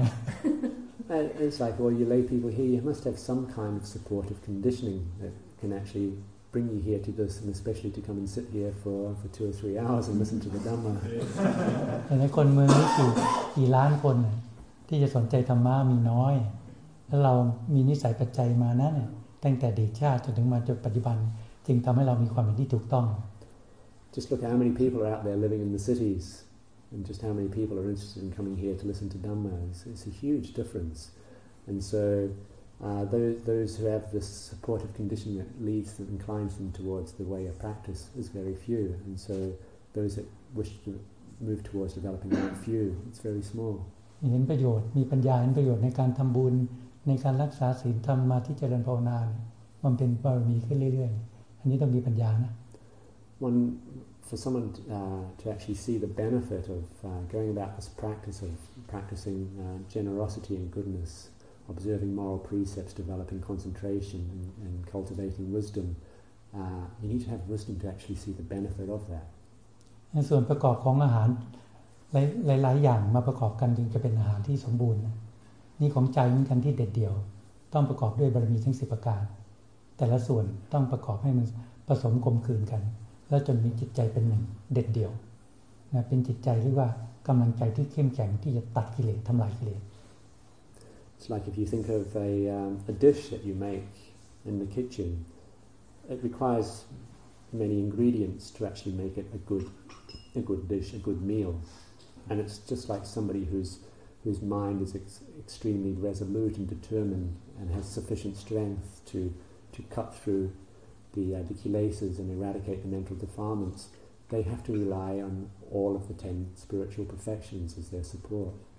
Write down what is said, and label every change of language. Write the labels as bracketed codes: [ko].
[th] นี่ย [en] It's like all you lay people here you must have some kind of supportive conditioning that can actually bring you here to this and especially to come and sit here for 2 or 3 hours and listen to the Dhamma. [th] แต่ในคนเมืองนี้กี่ล้านคนที่จะสนใจธรรมะมีน้อยแล้วเรามีนิสัยปัจจัยมานะเนี่ยตั้งแต่เด็กชาติจนถึงมาจนปัจจุบันจึงทำให้เรามีความเห็นที่ถูกต้อง [en] Just look at how many people are out there living in the cities and just how many people are interested in coming here to listen to Dhamma it's a huge difference and so those who have this supportive condition that leads them inclines them towards the way of practice is very few and so those that wish to move towards developing are few it's very small [th] เห็นประโยชน์มีปัญญาเห็นประโยชน์ในการทำบุญในการรักษาศีลธรรมมาที่เจริญภาวนามันเป็นบารมีขึ้นเรื่อยๆอันนี้ต้องมีปัญญานะ [en] One for someone to actually see the benefit of going about this practice of practicing generosity and goodness observing moral precepts developing concentration and cultivating wisdom you need to have wisdom to actually see the benefit of that [th] ส่วนประกอบของอาหารหลายๆอย่างมาประกอบกันจึงจะเป็นอาหารที่สมบูรณ์นี่ของใจเหมือนกันที่เด็ดเดี่ยวต้องประกอบด้วยบารมีทั้ง10ประการแต่ละส่วนต้องประกอบให้มันผสมกลมกลืนกันแล้วจนมีจิตใจเป็นหนึ่งเด็ดเดี่ยวนะเป็นจิตใจที่ว่ากำลังใจที่เข้มแข็งที่จะตัดกิเลสทำลายกิเลส [en] It's like if you think of a dish that you make in the kitchen it requires many ingredients to actually make it a good dish a good meal and it's just like somebody whose mind is extremely resolute and determined and has sufficient strength to cut through the kilesas and eradicate the mental defilements they have to rely on all of the 10 spiritual perfections as their support